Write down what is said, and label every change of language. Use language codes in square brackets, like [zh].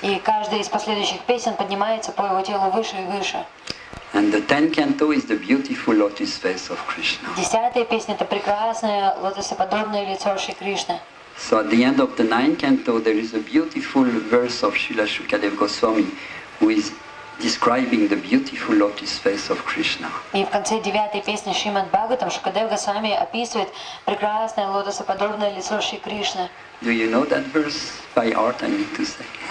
[ru] И каждая из последующих песен поднимается по его телу выше и выше. [en] And the 10th canto is the beautiful lotus face of Krishna. [ru] Десятая песня это прекрасное лотосоподобное лицо Шри Кришны. [en] So at the end of the 9th canto there is a beautiful verse of Srila Shukadeva Goswami who is describing the beautiful lotus face of Krishna. [ru] И в конце девятой песни Шримад Бхагаватам Шукадев Госвами описывает прекрасное лотосоподобное лицо Шри Кришны. [en] Do you know that verse by heart, I need to say?